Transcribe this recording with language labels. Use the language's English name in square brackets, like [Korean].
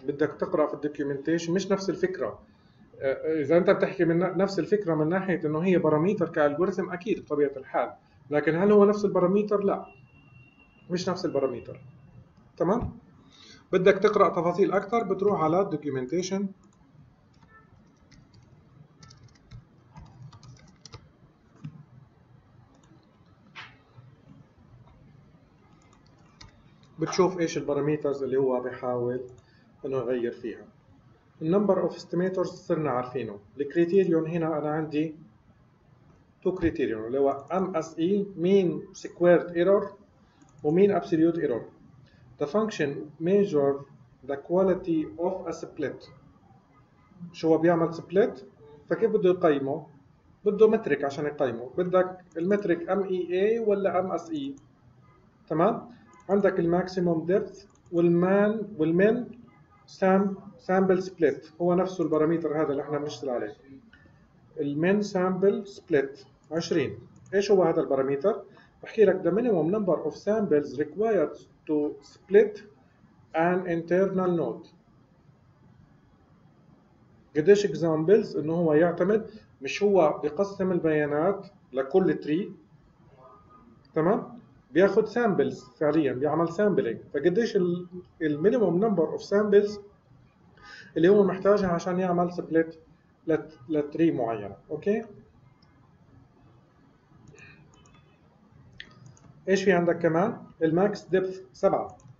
[Arabic] بدك تقرأ في الدوكيومنتيشن، مش نفس الفكرة. إذا أنت بتحكي من نفس الفكرة من ناحية إنه هي باراميتر كالجوريثم، أكيد بطبيعة الحال، لكن هل هو نفس الباراميتر؟ لا، مش نفس الباراميتر، تمام؟ بدك تقرأ تفاصيل أكثر بتروح على documentation. بتشوف إيش الباراميترز اللي هو بيحاول إنه يغير فيها. [English] number of estimators [Arabic] صرنا عارفينه. الكريتيريون هنا أنا عندي [English] two criterion [Arabic] اللي هو MSE mean squared error و mean absolute error. [English] The function measure the quality of a split. [Arabic] شو هو بيعمل split؟ فكيف بده يقيمه؟ بده متريك عشان يقيمه. بدك المتريك MEA ولا MSE، تمام؟ عندك الماكسيموم ديبث والمان والمن سامبل سبليت، هو نفسه البارامتر هذا اللي احنا بنشتغل عليه. المن سامبل سبليت 20، ايش هو هذا البارامتر؟ بحكي لك [English] the minimum number of samples required to split an internal node. [Arabic] قديش examples انه هو يعتمد، مش هو بيقسم البيانات لكل تري، تمام؟ بياخد samples فعليا، بيعمل sampling. فقديش ال [English] minimum number of samples [Arabic] اللي هو محتاجها عشان يعمل split لتري معينة، اوكي؟ ايش في عندك كمان؟ الماكس ديبث 7.